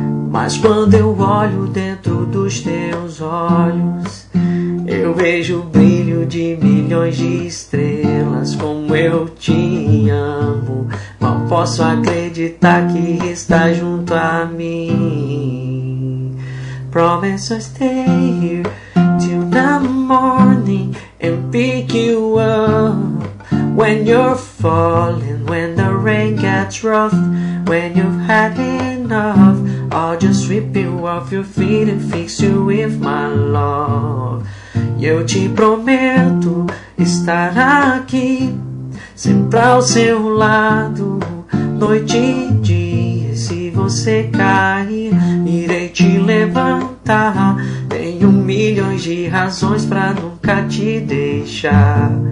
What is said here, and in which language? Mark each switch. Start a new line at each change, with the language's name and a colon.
Portuguese: Mas quando eu olho dentro dos teus olhos, eu vejo o brilho de milhões de estrelas. Como eu te amo, mal posso acreditar que está junto a mim.
English: Promise I stay here till the morning and pick you up when you're falling, when the rain gets rough, when you've had enough. I'll just sweep you off your feet and fix you with my love.
Portuguese: E eu te prometo estar aqui, sempre ao seu lado, noite e dia. Se você cair, irei te levantar. Tenho milhões de razões pra nunca te deixar.